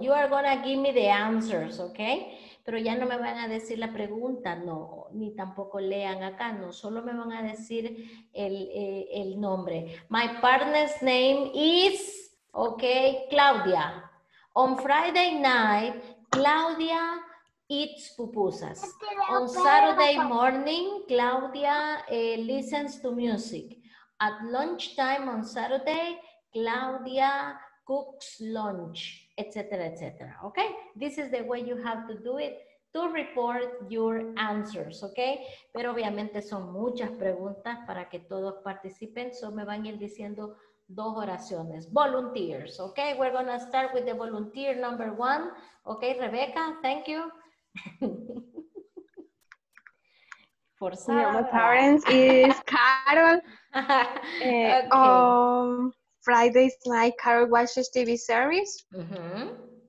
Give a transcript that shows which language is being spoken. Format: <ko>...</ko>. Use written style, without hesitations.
<en>You are going to give me the answers, okay?</en> <es>Pero ya no me van a decir la pregunta, no, ni tampoco lean acá, no, solo me van a decir el nombre.</es> <en>My partner's name is, okay, Claudia. On Friday night, Claudia eats pupusas. On Saturday morning, Claudia listens to music. At lunchtime on Saturday, Claudia cooks lunch, etc., etc. Okay? This is the way you have to do it to report your answers, okay?</en> <es>Pero obviamente son muchas preguntas para que todos participen. So me van a ir diciendo dos oraciones.</es> <en>Volunteers, okay? We're gonna start with the volunteer number one. Okay, Rebecca, thank you. For some, my parents is Carol. Okay. Friday's night, Carol watches TV series. Mm-hmm.</en>